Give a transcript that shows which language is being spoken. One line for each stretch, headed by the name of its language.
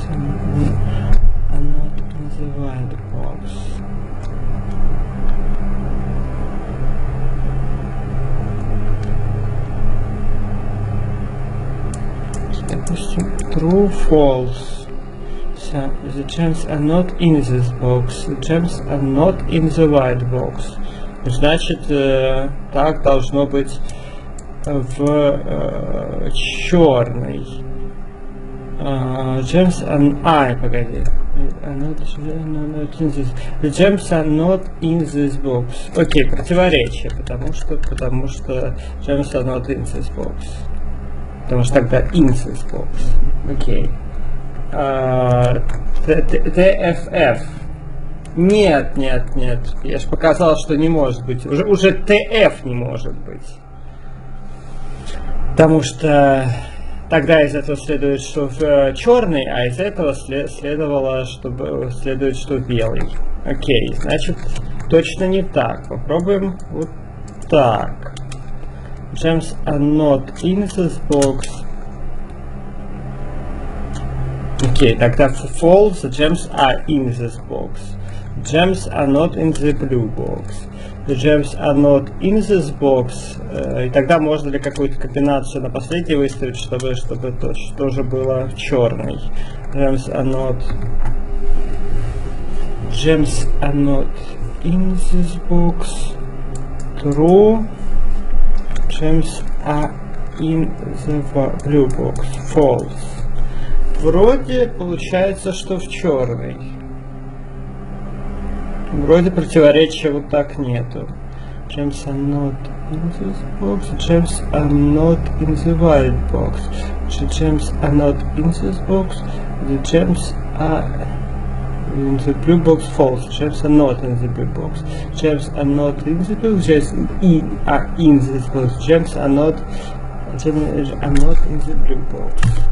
English: Gems are not in the white box.
Russian: Допустим,
English: true, false. So, the gems are not in this box. The gems are not in the white box.
Russian: Значит, так должно быть в черный.
English: Gems are
Russian: погоди.
English: The gems are not in this box.
Russian: Окей, противоречие, потому что
English: gems are not in this box.
Russian: Потому что тогда
English: in this box.
Russian: Окей. TFF. Нет. Я же показал, что не может быть. Уже TF не может быть. Потому что тогда из этого следует, что в черный, а из этого следует, что в белый. Окей, значит, точно не так. Попробуем вот так.
English: Gems are not in this box.
Russian: Окей, тогда
English: false, gems are in this box. Gems are not in the blue box. The gems are not in this box.
Russian: И тогда можно ли какую-то комбинацию на последний выставить, чтобы то, что же было черный.
English: Gems are not in this box. True. Gems are in the blue box. False.
Russian: Вроде получается, что в черный. Вроде противоречия вот так нету.
English: Gems are not in this box. Gems are not in the white box. Gems are not in this box. The gems are in the blue box. False. Gems are not in the blue box. Gems are not in the blue box. Gems are in this box. Gems are not in the blue box.